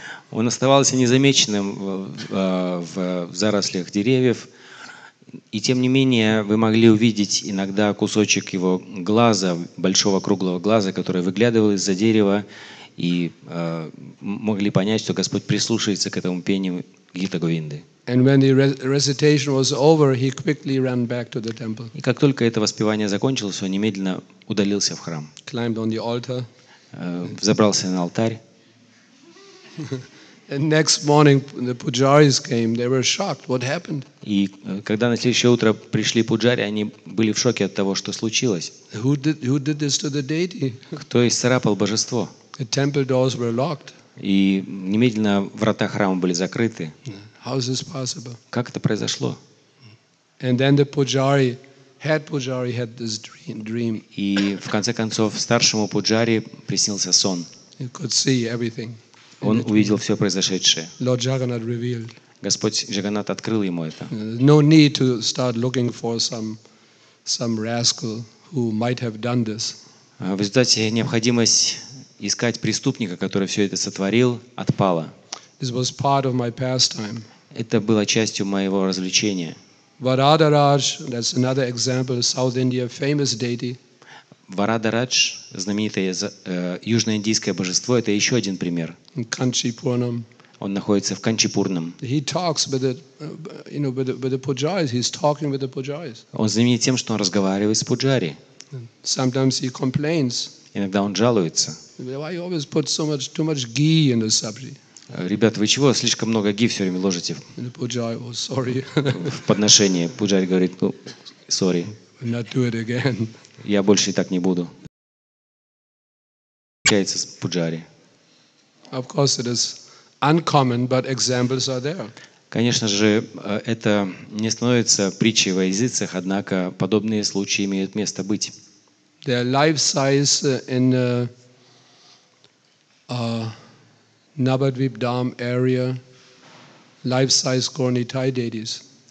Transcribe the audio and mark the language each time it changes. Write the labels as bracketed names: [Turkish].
[Russian] Он оставался незамеченным в зарослях деревьев, и тем не менее вы могли увидеть иногда кусочек его глаза, большого круглого глаза, который выглядывал из-за дерева. И могли понять, что Господь прислушивается к этому пению Гита Говинды. [English] And when the recitation was over, he quickly ran back to the temple. [Russian] И как только это воспевание закончилось, он немедленно удалился в храм. [English] Climbed on the altar. [Russian] Взобрался на алтарь. [English] And next morning the pujaris came. They were shocked. What happened? [Russian] И когда на следующее утро пришли пуджари, они были в шоке от того, что случилось. [English] Who did this to the deity? [Russian] Кто исцарапал божество? [English] The temple doors were locked. [Russian] И немедленно врата храма были закрыты. [English] How is this possible? [Russian] Как это произошло? [English] And then the pujari had this dream. [Russian] И в конце концов старшему пуджари приснился сон. [English] He could see everything. [Russian] Он увидел все произошедшее. [English] Lord Jagannath revealed. [Russian] Господь Джаганнат открыл ему это. [English] No need to start looking for some rascal who might have done this. [Russian] В результате необходимость искать преступника, который все это сотворил, отпало. [English] This was part of my pastime. [Russian] Это было частью моего развлечения. [English] Varadaraj, that's another example, South India, famous deity. [Russian] Varadaraj, знаменитое южноиндийское божество, это еще один пример. [English] In Kanchipuram. [Russian] Он находится в Канчипурнам. [English] He talks with the pujaris. He's talking with the pujaris. [Russian] Он знаменит тем, что он разговаривает с пуджари. [English] Sometimes he complains. [Russian] Иногда он жалуется. [English] Why you always put so much, too much ghee in the sabji? [Russian] Ребята, вы чего слишком много ги все время ложите? [English] The pujari was sorry. [Russian] В подношение пуджари говорит, ну, sorry. [English] I'll not do it again. [Russian] Я больше так не буду. Общается с пуджари. [English] Of course, it is uncommon, but examples are there. [Russian] Конечно же, это не становится притчей во языцах, однако подобные случаи имеют место быть. [English] Their life size in Navadvip Dham area, life-size Gorni Thai deities.